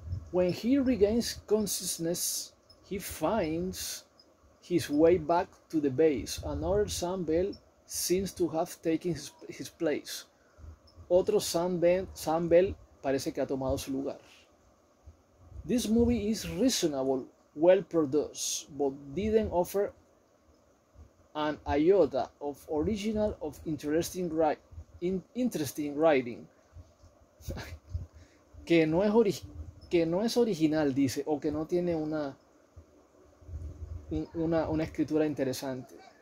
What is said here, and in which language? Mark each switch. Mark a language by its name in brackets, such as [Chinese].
[English] When he regains consciousness, he finds his way back to the base. Another Sam Bell seems to have taken his place. [Spanish] Otro Sam Bell parece que ha tomado su lugar. [English] This movie is reasonable, well produced, but didn't offer an iota of original of interesting writing. [Spanish] Que no es original, dice, o que no tiene una escritura interesante.